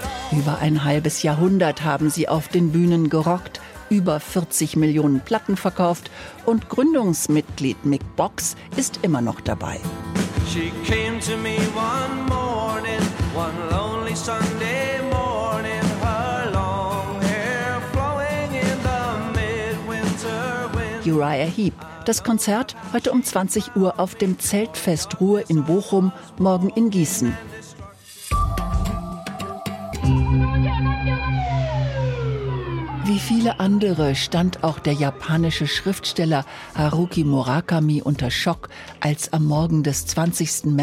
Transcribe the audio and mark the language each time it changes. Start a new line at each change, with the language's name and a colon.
German: Über ein halbes Jahrhundert haben sie auf den Bühnen gerockt, über 40 Millionen Platten verkauft und Gründungsmitglied Mick Box ist immer noch dabei.
English: She came to me one morning, one lonely Sunday morning, her long hair flowing in the midwinter wind.
German: Uriah Heep, das Konzert heute um 20 Uhr auf dem Zeltfest Ruhr in Bochum, morgen in Gießen. Wie viele andere stand auch der japanische Schriftsteller Haruki Murakami unter Schock, als am Morgen des 20.